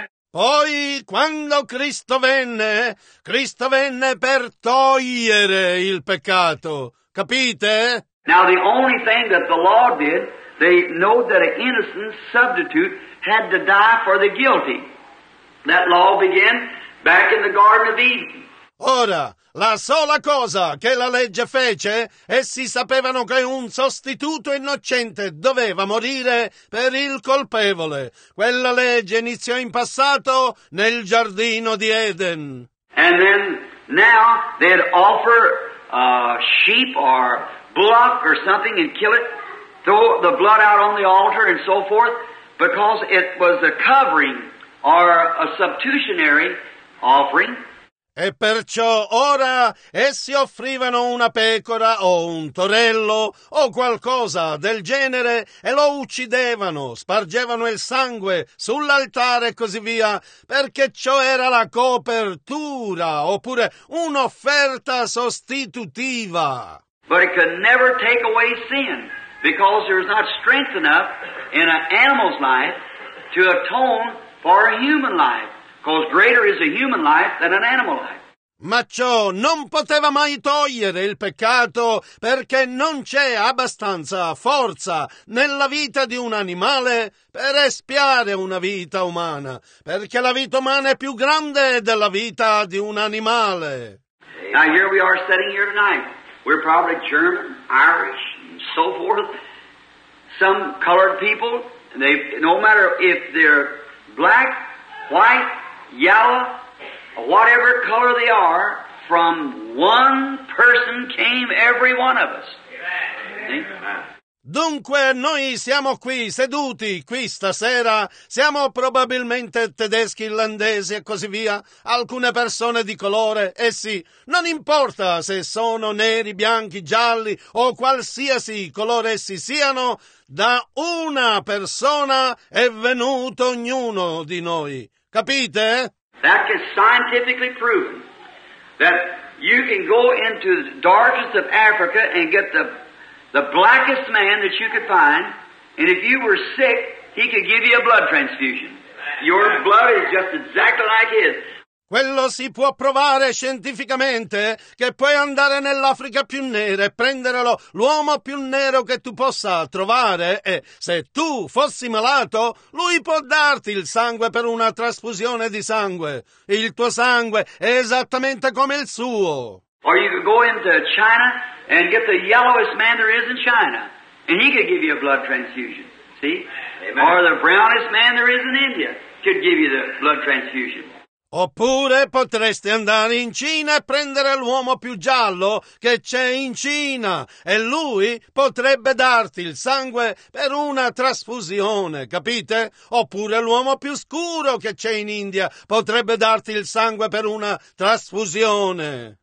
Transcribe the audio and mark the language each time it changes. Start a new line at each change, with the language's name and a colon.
Italian: Poi, quando Cristo venne per togliere il peccato, capite?
English: Now the only thing that the law did, they know that an innocent substitute had to die for the guilty. That law began back in the Garden of Eden.
Italian: Ora, la sola cosa che la legge fece, essi sapevano che un sostituto innocente doveva morire per il colpevole. Quella legge iniziò in passato nel giardino di Eden.
English: And then, now, they'd offer a sheep or bullock or something and kill it, throw the blood out on the altar and so forth, because it was a covering or a substitutionary offering.
Italian: E perciò ora essi offrivano una pecora o un torello o qualcosa del genere e lo uccidevano, spargevano il sangue sull'altare e così via, perché ciò era la copertura oppure un'offerta sostitutiva.
English: But it could never take away sin because there's not strength enough in an animal's life to atone for a human life. Because greater is a human life than an animal life.
Italian: Ma ciò non poteva mai togliere il peccato perché non c'è abbastanza forza nella vita di un animale per espiare una vita umana, perché la vita umana è più grande della vita di un animale.
English: Now here we are sitting here tonight. We're probably German, Irish, and so forth. Some colored people, they no matter if they're black, white, yellow, whatever color they are, from one person came every one of us. Amen.
Italian: Dunque, noi siamo qui, seduti qui stasera, siamo probabilmente tedeschi, irlandesi e così via, alcune persone di colore, sì, non importa se sono neri, bianchi, gialli o qualsiasi colore essi siano, da una persona è venuto ognuno di noi, capite?
English: That is scientifically proven that you can go into the darkest of Africa and get the blackest man that you could find, and if you were sick, he could give you a blood transfusion. Your blood is just exactly like his.
Italian: Quello si può provare scientificamente che puoi andare nell'Africa più nera e prenderlo l'uomo più nero che tu possa trovare e se tu fossi malato, lui può darti il sangue per una trasfusione di sangue. Il tuo sangue è esattamente come il suo.
English: Or you could go into China and get the yellowest man there is in China and he could give you a blood transfusion. See? Amen. Or the brownest man there is in India could give you the blood transfusion.
Italian: Oppure potreste andare in Cina e prendere l'uomo più giallo che c'è in Cina e lui potrebbe darti il sangue per una trasfusione, capite? Oppure l'uomo più scuro che c'è in India potrebbe darti il sangue per una trasfusione.